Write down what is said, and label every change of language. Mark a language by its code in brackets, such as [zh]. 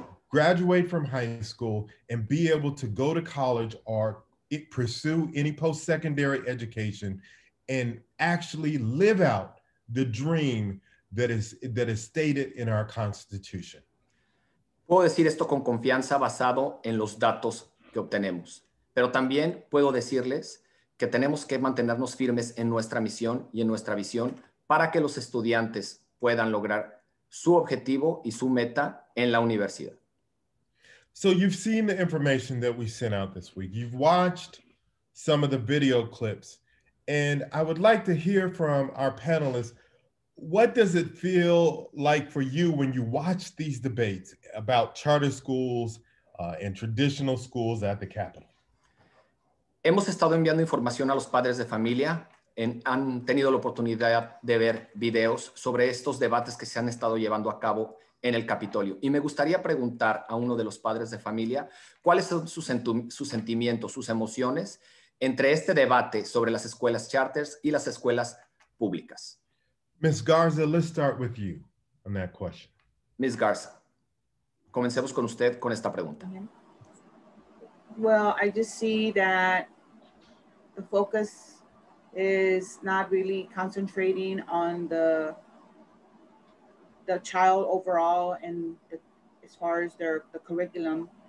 [en] graduate from high school, and be able to go to college or pursue any post-secondary education and actually live out the dream that is stated in our Constitution. [es] Puedo decir esto con confianza basado en los datos que obtenemos, pero también puedo decirles que tenemos que mantenernos firmes en nuestra misión y en nuestra visión para que los estudiantes puedan lograr su objetivo y su meta en la universidad. [en] So you've seen the information that we sent out this week. You've watched some of the video clips, and I would like to hear from our panelists, what does it feel like for you when you watch these debates about charter schools and traditional schools at the Capitol? [es] Hemos estado enviando información a los padres de familia, han tenido la oportunidad de ver videos sobre estos debates que se han estado llevando a cabo en el Capitolio. Y me gustaría preguntar a uno de los padres de familia, ¿cuáles son sus sentimientos, sus emociones entre este debate sobre las escuelas charters y las escuelas públicas? [en] Ms. Garza, let's start with you on that question. [es] Ms. Garza, comencemos con usted con esta pregunta. [en] Well, I just see that the focus is not really concentrating on the child overall and as far as the curriculum.